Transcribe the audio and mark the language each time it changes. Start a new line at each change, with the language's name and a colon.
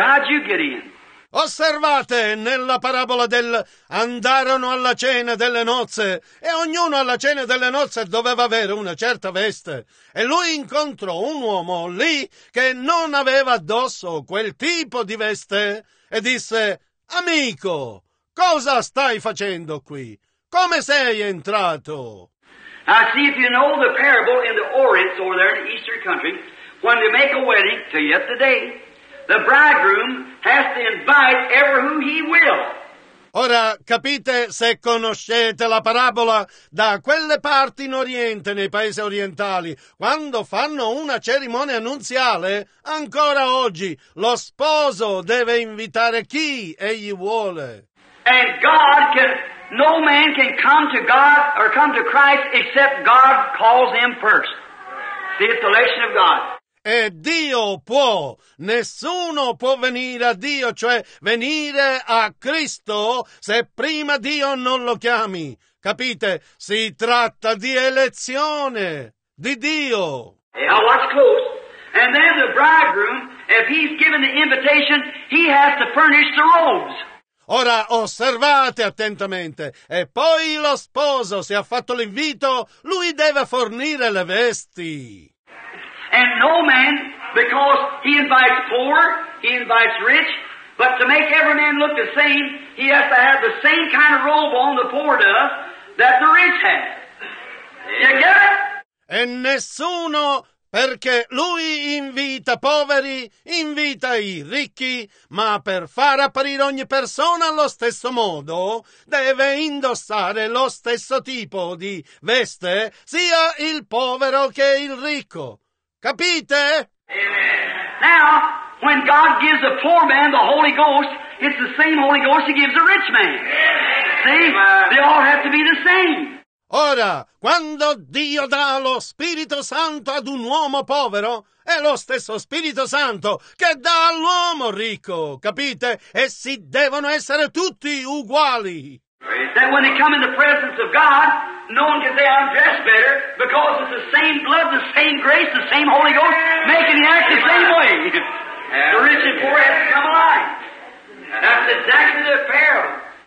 English: How'd you get in?
Italian: Osservate nella parabola del andarono alla cena delle nozze e ognuno alla cena delle nozze doveva avere una certa veste e lui incontrò un uomo lì che non aveva addosso quel tipo di veste e disse, amico, cosa stai facendo qui? Come sei entrato?
English: I see if you know the parable in the Orient over there in the Eastern country. When they make a wedding, to yesterday, the bridegroom has to invite ever whom he will.
Italian: Ora, capite se conoscete la parabola da quelle parti in Oriente, nei paesi orientali, quando fanno una cerimonia nuziale, ancora oggi, lo sposo deve invitare chi egli vuole.
English: And God can, no man can come to God or come to Christ except God calls him first. See, it's the election of God.
Italian: E Dio può, nessuno può venire a Dio, cioè venire a Cristo, se prima Dio non lo chiami. Capite? Si tratta di elezione, di Dio.
English: Now watch close. And then the bridegroom, if he's given the invitation, he has to furnish the robes.
Italian: Ora osservate attentamente. E poi lo sposo, se ha fatto l'invito, lui deve fornire le vesti.
English: And no man, because he invites poor, he invites rich, but to make every man look the same, he has to have the same kind of robe on the poor does that the rich has. You get it?
Italian: E nessuno, perché lui invita poveri, invita i ricchi, ma per far apparire ogni persona allo stesso modo, deve indossare lo stesso tipo di veste, sia il povero che il ricco. Capite? Amen.
English: Now, when God gives a poor man the Holy Ghost, it's the same Holy Ghost He gives a rich man. Amen. See? Amen. They all have to be the same.
Italian: Ora, quando Dio dà lo Spirito Santo ad un uomo povero, è lo stesso Spirito Santo che dà all'uomo ricco. Capite? Essi devono essere tutti uguali.
English: That when they come in the presence of God, no one can say I'm dressed better because it's the same blood, the same grace, the same Holy Ghost making the act the same way. The rich and poor have to come alive. That's exactly the parable.